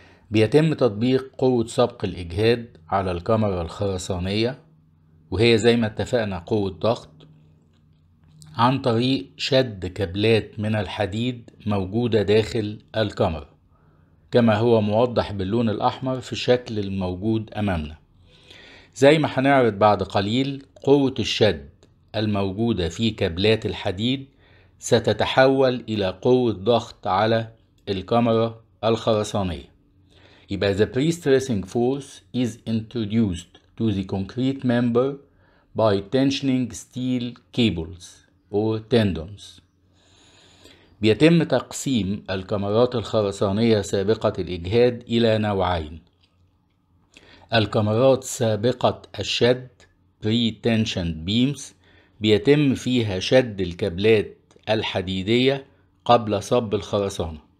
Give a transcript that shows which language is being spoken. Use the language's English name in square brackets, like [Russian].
[Arabic] بيتم تطبيق قوة سبق الإجهاد على الكاميرا الخرسانية، وهي زي ما اتفقنا قوة ضغط، عن طريق شد كابلات من الحديد موجودة داخل الكاميرا كما هو موضح باللون الأحمر في الشكل الموجود أمامنا. زي ما هنعرض بعد قليل، قوة الشد الموجودة في كابلات الحديد ستتحول إلى قوة ضغط على الكاميرا الخرسانية. [English] يبقى the pre-stressing force is introduced to the concrete member by tensioning steel cables or tendons. [Arabic] بيتم تقسيم الكاميرات الخرسانية سابقة الإجهاد إلى نوعين: الكاميرات سابقة الشد pre-tensioned beams، بيتم فيها شد الكابلات الحديدية قبل صب الخرسانة.